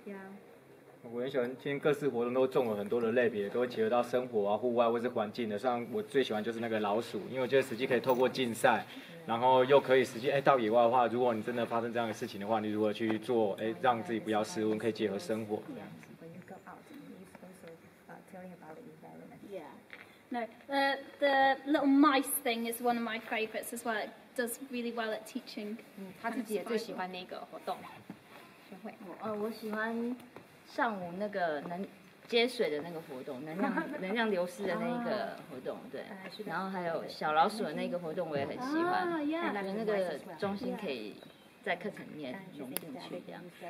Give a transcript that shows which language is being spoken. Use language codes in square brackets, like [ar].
[en] Yeah. [zh] 我很喜欢今天各式活动都综合很多的类别，都会结合到生活啊、户外或是环境的。像我最喜欢就是那个老鼠，因为我觉得实际可以透过竞赛。然后又可以实际到野外的话，如果你真的发生这样的事情的话，你如何去做让自己不要失温，可以结合生活这样子。 [en] When you go out, you're also telling about the environment. Yeah. No, the little mice thing is one of my favorites as well. It does really well at teaching. [zh] 他自己也最喜欢那个活动。我喜欢上午那个能接水的那个活动，能量流失的那个活动，对，然后还有小老鼠的那个活动，我也很喜欢。我觉得那个中心可以在课程里面融进去，这样。